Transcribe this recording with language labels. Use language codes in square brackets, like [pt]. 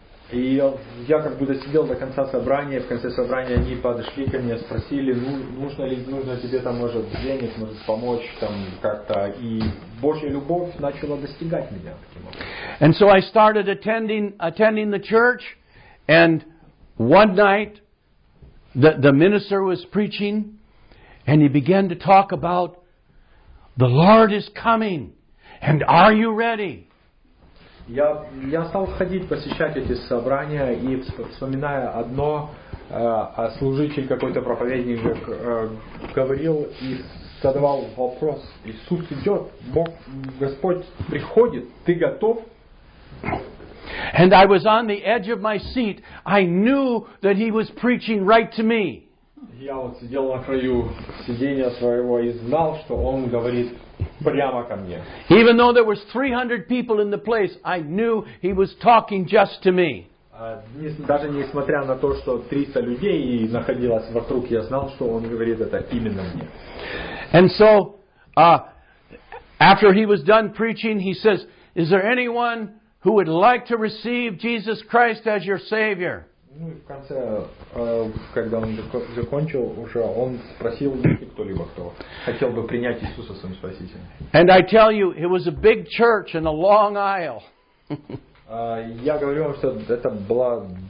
[ru] И я как будто сидел до конца собрания. В конце собрания они подошли ко мне, спросили, нужно тебе там может денег, может помочь там как-то. И Божья любовь начала достигать меня. [en] And so I started attending the church, and one night the minister was preaching, and he began to talk about the Lord is coming, and are you ready? [ru] Я стал ходить, посещать эти собрания и вспоминая одно, служитель какой-то проповедник говорил и задавал вопрос: Иисус идет, Бог, Господь приходит, ты готов? [en] And I was on the edge of my seat. I knew that he was preaching right to me. [ru] Я вот сидел на краю сиденья своего и знал, что он говорит прямо ко мне. [en] Even though there was 300 people in the place, I knew he was talking just to me. [ru] Даже несмотря на то, что 300 людей и находилось вокруг, я знал, что он говорит это именно мне. [en] And so, after he was done preaching, he says, "Is there anyone who would like to receive Jesus Christ as your Savior?" [ru] Ну, в конце, когда он закончил, уже он спросил, есть ли кто-либо, кто хотел бы принять Иисуса своим спасителем. [en] And I tell you, it was a big church in a long aisle. [ru] Я говорю вам, что это была